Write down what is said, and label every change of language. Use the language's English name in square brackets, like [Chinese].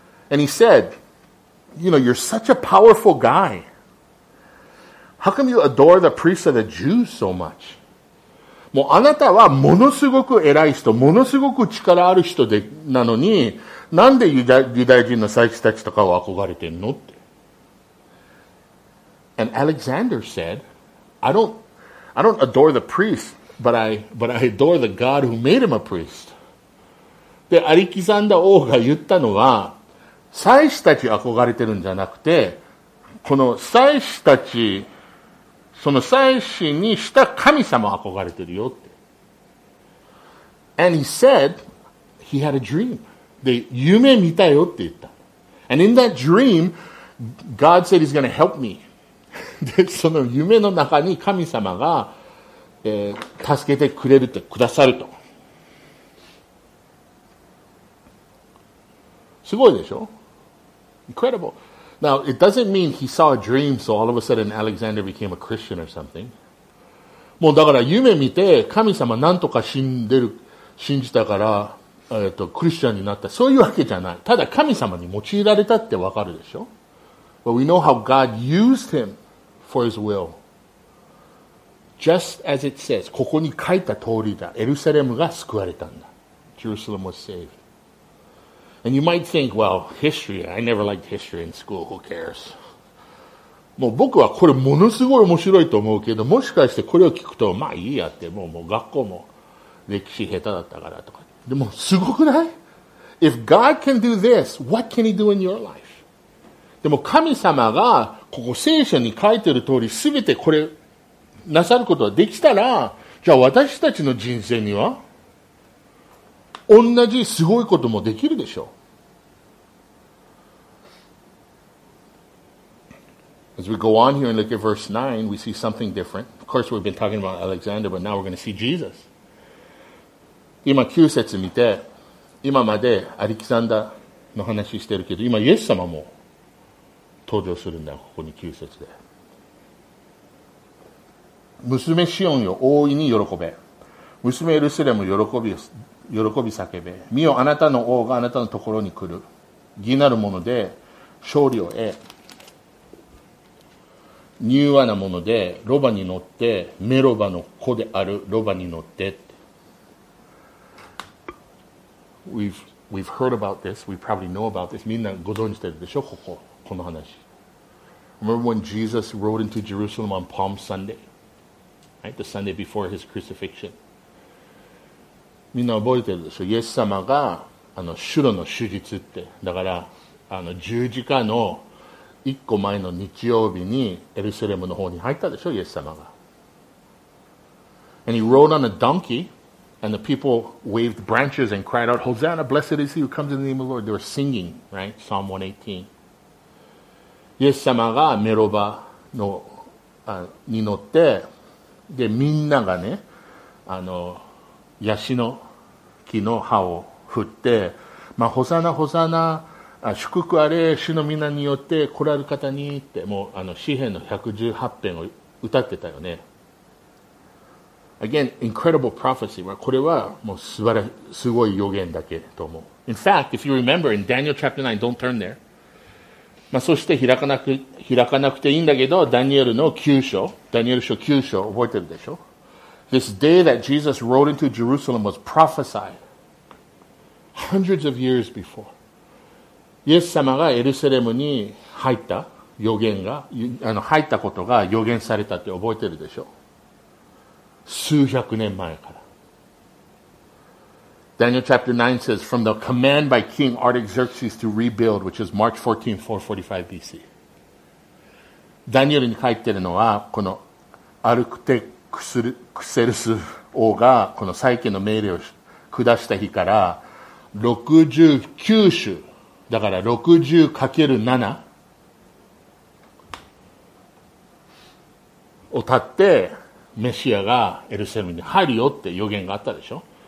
[English] And he said, you know, you're such a powerful guy. How come you adore the priests of the Jews so much? [Japanese] もうあなたはものすごく偉い人、ものすごく力ある人でなのに、なんでユダヤ人の祭司たちとかを憧れてんのって。 [English] And Alexander said, I don't adore the priest, but I adore the God who made him a priest. [Japanese] で、アレキサンダー王が言ったのは、祭司たち憧れてるんじゃなくて、この祭司たち、その祭司にした神様憧れてるよって。 [English] And he said, he had a dream. [Japanese] で、夢見たよって言った。 [English] And in that dream, God said he's going to help me. [Japanese] で、その夢の中に神様が、助けてくれるって、くださると。すごいでしょ？ [English] Incredible. Now, it doesn't mean he saw a dream, so all of a sudden Alexander became a Christian or something. [Japanese] もうだから夢見て神様なんとか信じたから、クリスチャンになった。そういうわけじゃない。ただ神様に用いられたってわかるでしょ。 [English] But we know how God used him for his will. Just as it says, [Japanese] ここに書いた通りだ。エルサレムが救われたんだ。 [English] Jerusalem was saved. And you might think, well, history, I never liked history in school, who cares? [Japanese] もう僕はこれものすごい面白いと思うけど、もしかしてこれを聞くと、まあいいやって、もう学校も歴史下手だったからとか。でもすごくない？ [English] If God can do this, what can he do in your life? [Japanese] でも神様がここ聖書に書いてる通り、すべてこれなさることができたら、じゃあ私たちの人生には、同じすごいこともできるでしょう。 [English] As we go on here and look at verse 9, we see something different. Of course, we've been talking about Alexander, but now we're going to see Jesus. [Japanese] 今9節見て、今までアレキサンダーの話してるけど、今イエス様も登場するんだ、ここに9節で。娘シオンよ、大いに喜べ。娘エルサレム喜び叫べ。見よ、あなたの王があなたのところに来る。義なるもので勝利を得、柔和なものでロバに乗って、メロバの子であるロバに乗って。 [English] We've heard about this. We probably know about this. [Japanese] みんなご存じてるでしょ、この話。 [English] Remember when Jesus rode into Jerusalem on Palm Sunday? Right? The Sunday before his crucifixion [Japanese] みんな覚えてるでしょ。イエス様が、シュロの手術って。だから、十字架の一個前の日曜日にエルサレムの方に入ったでしょ、イエス様が。 [English] And he rode on a donkey, and the people waved branches and cried out, Hosanna, blessed is he who comes in the name of the Lord. They were singing, right? Psalm 118. [Japanese] イエス様がメロバの、に乗って、で、みんながね、ヤシの木の葉を振って、まあ、ホサナホサナ、祝福あれ、主の皆によって来られる方にって、もう、詩篇の118篇を歌ってたよね。 [English] Again, incredible prophecy. [Japanese] これは、もう、すごい予言だけと思う。 [English] In fact, if you remember, in Daniel chapter 9, don't turn there. [Japanese] まあ、そして開かなくていいんだけど、ダニエルの9章、ダニエル書9章、覚えてるでしょ？ [English] This day that Jesus rode into Jerusalem was prophesied hundreds of years before. [Japanese] イエス様がエルサレムに入った予言が、入ったことが予言されたって覚えてるでしょ？数百年前から。 [English] Daniel chapter 9 says, from the command by King Artaxerxes to rebuild, which is March 14, 445 BC. [Japanese] ダニエルに書いてるのは、このアルクテクセルス王がこの再建の命令を下した日から69週だから 60×7 を経ってメシアがエルサレムに入るよって予言があったでしょ。